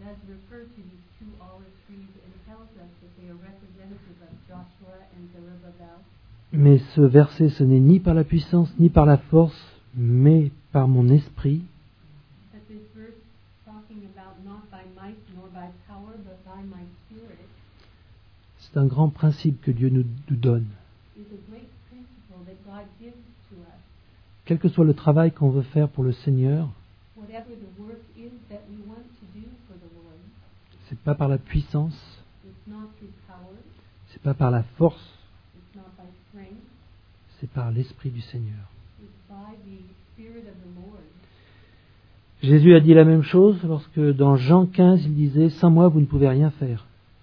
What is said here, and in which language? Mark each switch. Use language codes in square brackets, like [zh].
[en] refer to these two olive trees and tells us that they are representative of Joshua and Zerubbabel. [fr] Mais ce verset, ce n'est ni par la puissance ni par la force, mais par mon esprit. [en] But this verse talking about not by might nor by power, but by my spirit. [fr] C'est un grand principe que Dieu nous donne. [en] It's a great principle that God gives to us. [fr] Quel que soit le travail qu'on veut faire pour le Seigneur, [en] whatever the work is that we want to do for the Lord, [fr] c'est pas par la puissance, [en] it's not through power, [fr] c'est pas par la force, [en] it's not by strength, [fr] c'est par l'Esprit du Seigneur. [en] It's by the Spirit of the Lord. [fr] Jésus a dit la même chose lorsque dans Jean 15 il disait « Sans moi vous ne pouvez rien faire ».